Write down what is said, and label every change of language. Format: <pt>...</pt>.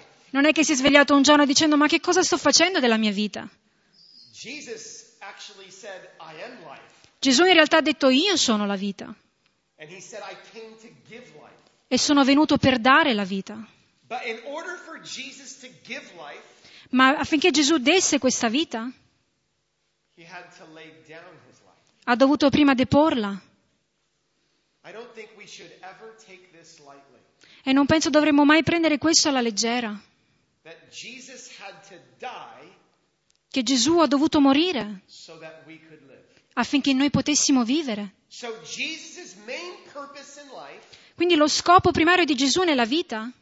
<it>Non è che si è svegliato un giorno dicendo: ma che cosa sto facendo della mia vita?</it> <en>Jesus actually said, I am life.</en> <it>Gesù in realtà ha detto: io sono la vita.</it> <en>And he said, I came to give life.</en> <it>E sono venuto per dare la vita.</it> <en>But in order for Jesus to give life,</en> <it>ma affinché Gesù desse questa vita,</it> <en>he had to lay down his life.</en> <it>Ha dovuto prima deporla.</it> <en>I don't think we should ever take this lightly.</en> <it>E non penso dovremmo mai prendere questo alla leggera.</it> <en>That Jesus had to die,</en> <it>che Gesù ha dovuto morire,</it> <en>so that we could live.</en> <it>Affinché noi potessimo vivere.</it> <en>So Jesus's main purpose in life,</en> <it>quindi lo scopo primario di Gesù nella vita,</it>